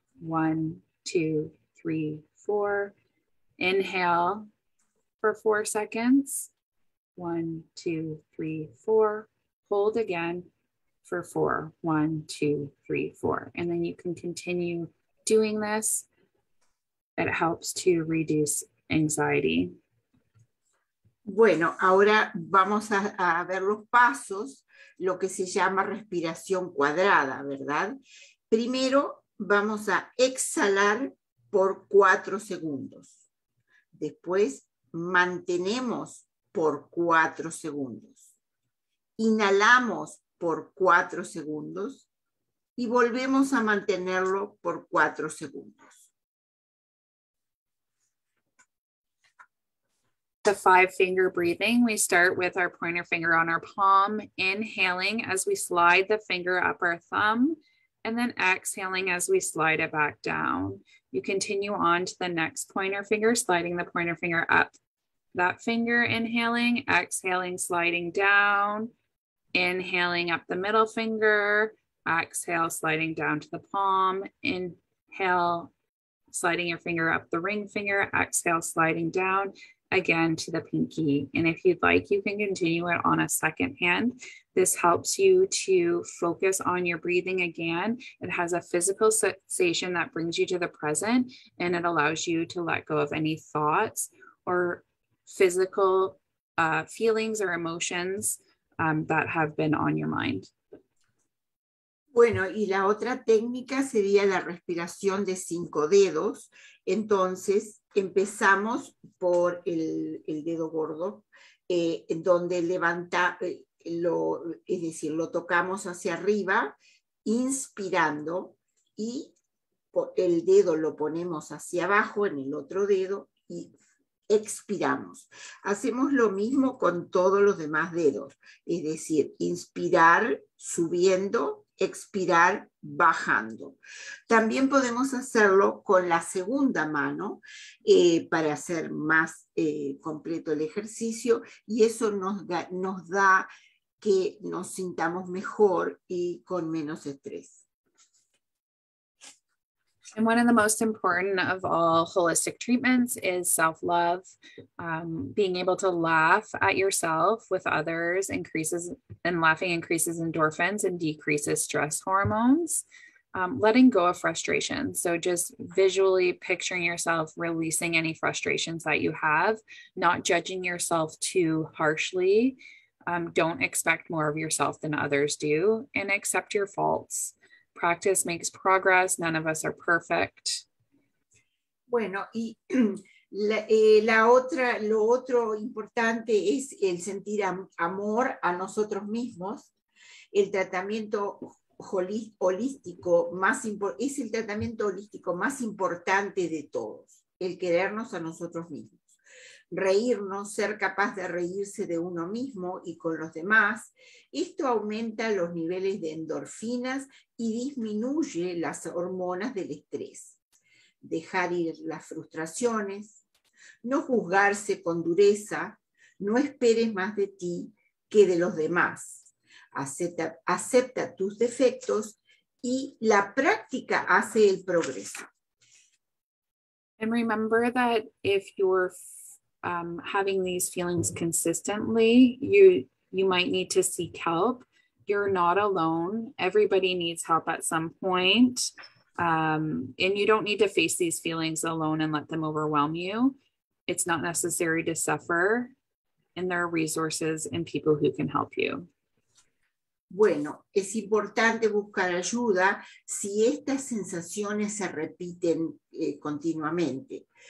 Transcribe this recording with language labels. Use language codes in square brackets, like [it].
[en] 1, 2, 3, 4. Inhale for 4 seconds. 1, 2, 3, 4. Hold again for 4. 1, 2, 3, 4. And then you can continue doing this. It helps to reduce anxiety. [es] Bueno, ahora vamos a ver los pasos, lo que se llama respiración cuadrada, ¿verdad? Primero vamos a exhalar por 4 segundos. Después mantenemos por 4 segundos. Inhalamos por 4 segundos y volvemos a mantenerlo por 4 segundos. [en] The five finger breathing. We start with our pointer finger on our palm, inhaling as we slide the finger up our thumb, and then exhaling as we slide it back down. You continue on to the next pointer finger, sliding the pointer finger up that finger, inhaling, exhaling, sliding down, inhaling up the middle finger, exhale, sliding down to the palm, inhale, sliding your finger up the ring finger, exhale, sliding down again to the pinky. And if you'd like, you can continue it on a second hand. This helps you to focus on your breathing again. It has a physical sensation that brings you to the present, and it allows you to let go of any thoughts or physical feelings or emotions that have been on your mind. [es] Bueno, y la otra técnica sería la respiración de 5 dedos. Entonces, empezamos por el dedo gordo, donde levanta, es decir, lo tocamos hacia arriba, inspirando, y el dedo lo ponemos hacia abajo en el otro dedo y expiramos. Hacemos lo mismo con todos los demás dedos, es decir, inspirar subiendo, expirar bajando. También podemos hacerlo con la segunda mano para hacer más completo el ejercicio, y eso nos da que nos sintamos mejor y con menos estrés. [en] And one of the most important of all holistic treatments is self-love. Being able to laugh at yourself with others increases, and laughing increases endorphins and decreases stress hormones. Letting go of frustration. So just visually picturing yourself releasing any frustrations that you have, not judging yourself too harshly. Don't expect more of yourself than others do, and accept your faults. Practice makes progress. None of us are perfect. [es] Bueno, y la otra, lo otro importante es el sentir amor a nosotros mismos. El tratamiento holístico más es el tratamiento holístico más importante de todos, el querernos a nosotros mismos. Reírnos, ser capaz de reírse de uno mismo y con los demás, esto aumenta los niveles de endorfinas y disminuye las hormonas del estrés. Dejar ir las frustraciones, no juzgarse con dureza, no esperes más de ti que de los demás. Acepta tus defectos y la práctica hace el progreso. [en] And remember that if you're having these feelings consistently, you might need to seek help. You're not alone. Everybody needs help at some point. And you don't need to face these feelings alone and let them overwhelm you. It's not necessary to suffer. And there are resources and people who can help you. [es] Bueno, es importante buscar ayuda si estas sensaciones se repiten continuamente.